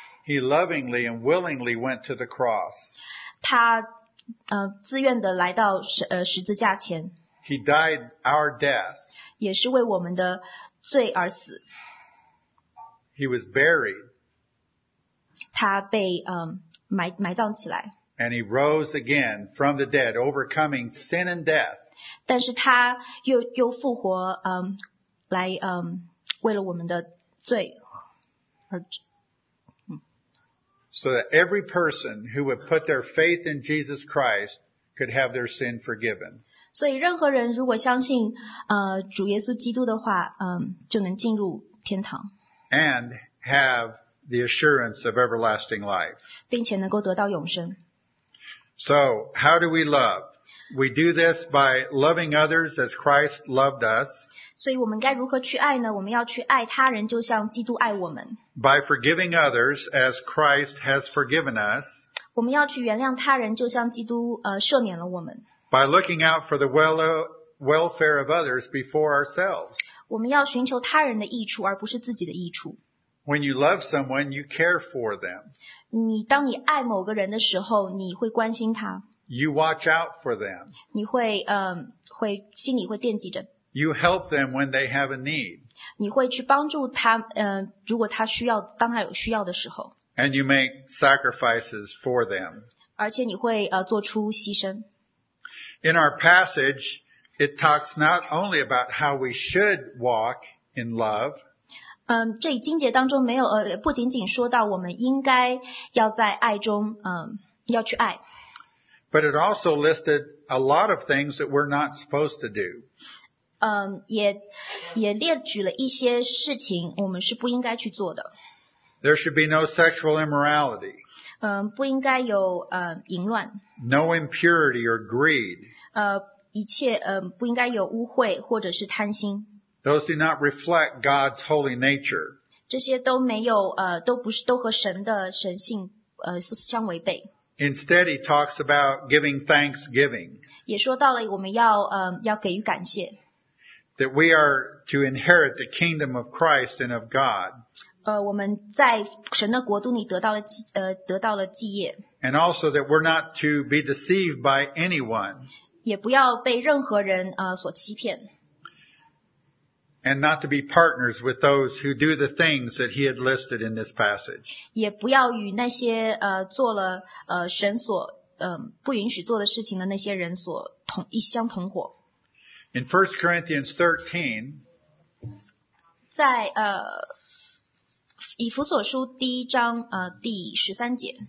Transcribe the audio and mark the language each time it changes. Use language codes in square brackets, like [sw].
[en] He lovingly and willingly went to the cross. [zh] 他自愿的来到十字架前。 [en] He died our death. [zh] 也是为我们的罪而死。 [en] He was buried. [zh] 他被埋葬起来。 [en] And he rose again from the dead, overcoming sin and death. [zh] 但是他又复活，来为了我们的罪而。 [en] So that every person who would put their faith in Jesus Christ could have their sin forgiven. [zh] 所以任何人如果相信主耶稣基督的话，就能进入天堂。 [en] And have the assurance of everlasting life. [zh] 并且能够得到永生。 [en] So, how do we love? We do this by loving others as Christ loved us. [zh] 所以我们该如何去爱呢？我们要去爱他人，就像基督爱我们。 [en] By forgiving others as Christ has forgiven us. [zh] 我们要去原谅他人，就像基督赦免了我们。 [en] By looking out for the welfare of others before ourselves. [zh] 我们要寻求他人的益处，而不是自己的益处。 [en] When you love someone, you care for them. [zh] 你当你爱某个人的时候，你会关心他。 [en] You watch out for them. [zh] 你会会心里会惦记着。 [en] You help them when they have a need. [zh] 你会去帮助他，如果他需要，当他有需要的时候。 [en] And you make sacrifices for them. [zh] 而且你会做出牺牲。 [en] In our passage, it talks not only about how we should walk in love. [zh] 这一经节当中没有不仅仅说到我们应该要在爱中要去爱。 [en] But it also listed a lot of things that we're not supposed to do. [zh] 也列举了一些事情我们是不应该去做的。 [en] There should be no sexual immorality. [zh] 不应该有淫乱。 [en] No impurity or greed. [zh] 一切不应该有污秽或者是贪心。 [en] Those do not reflect God's holy nature. [zh] 这些都没有, 都不是, 都和神的神性, 相违背。 [en] Instead, he talks about giving thanksgiving. [zh] 也说到了我们要, 要给予感谢。 [en] That we are to inherit the kingdom of Christ and of God. [zh] 我们在神的国度里得到了, 得到了基业。 [en] And also that we're not to be deceived by anyone. [zh] 也不要被任何人, 所欺骗。 [en] And not to be partners with those who do the things that he had listed in this passage. [zh] 也不要与那些, 做了, 神所, 不允许做的事情的那些人所同, 一相同伙。 [en] In 1 Corinthians 13, [zh] 在, 以弗所书第一章, 第13节,